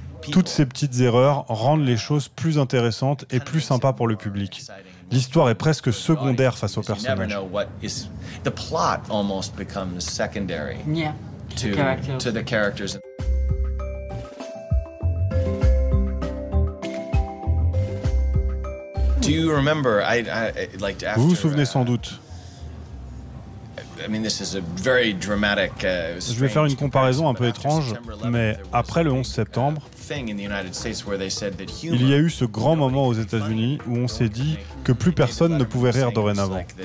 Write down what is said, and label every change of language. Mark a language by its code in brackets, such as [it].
[fr] Toutes ces petites erreurs rendent les choses plus intéressantes et plus sympas pour le public. L'histoire est presque secondaire face au personnage. [en] The plot almost becomes secondary. Yeah. To the characters. Do you remember? [fr] Vous vous souvenez sans doute. [en] I mean, this is a very dramatic. [fr] Je vais faire une comparaison un peu étrange, mais après le 11 septembre. Il y a eu ce grand moment aux États-Unis où on s'est dit que plus personne ne pouvait rire dorénavant.